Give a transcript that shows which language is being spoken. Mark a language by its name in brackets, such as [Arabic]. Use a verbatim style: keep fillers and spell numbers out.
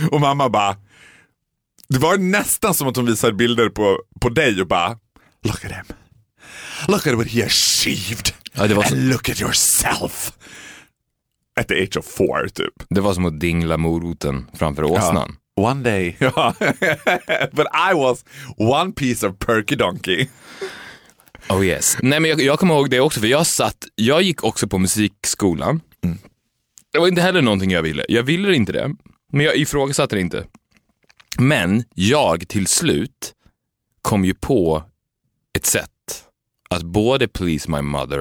[Swedish] Och mamma bara, det var nästan som att hon visade bilder på, på dig och bara, [English] look at him. Look at what he achieved. [Swedish] Ja, det var så... [English] And look at yourself. At the age of four, typ. [Swedish] Det var som att dingla moroten framför åsnan. Ja. [English] One day. But I was one piece of perky donkey. Oh yes. [Swedish] Nej, men jag, jag kommer ihåg det också, för jag satt, jag gick också på musikskolan. Mm. Det var inte heller någonting jag ville. Jag ville inte det, men jag ifrågasatte det inte. Men jag till slut kom ju på ett sätt att både [English] please my mother